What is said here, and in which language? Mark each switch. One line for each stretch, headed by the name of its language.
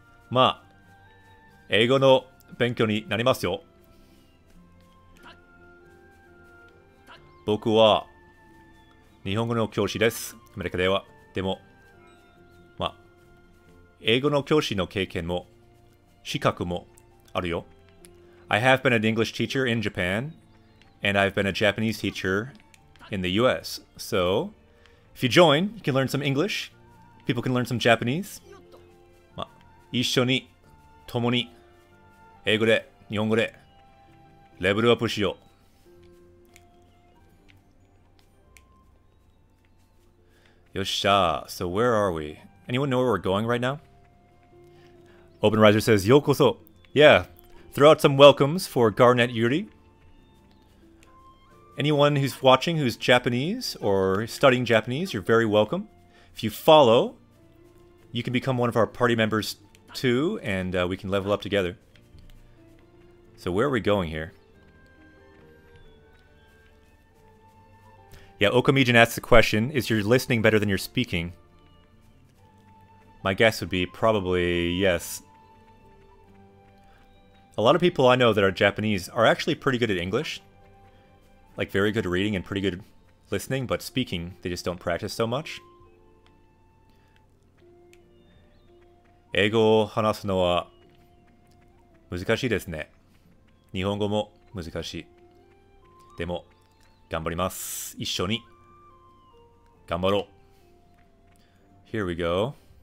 Japanese: まあ、英語の勉強になりますよ。僕は日本語の教師です。アメリカでは。でも、まあ、英語の教師の経験も、資格もあるよ。
English: I have been an English teacher in Japan, and I've been a Japanese teacher in the US. So, if you join, you can learn some English. People can learn some Japanese.
Japanese: まあ、一緒に、共に、英語で、日本語で、レベルアップしよう。よっしゃ、
English: so where are we? Anyone know where we're going right now? Open Riser says,
Japanese: ようこそ。
English: Yeah, throw out some welcomes for Garnet Yuri. Anyone who's watching who's Japanese or studying Japanese, you're very welcome. If you follow, you can become one of our party members too, and we can level up together. So where are we going here? Yeah, Okamijin asks the question, is your listening better than your speaking? My guess would be probably yes. A lot of people I know that are Japanese are actually pretty good at English. Like very good reading and pretty good listening, but speaking, they just don't practice so much.
Japanese: 英語を話すのは難しいですね。日本語も難しい。でも、頑張ります。一緒に。頑張ろう。
English: Here we go.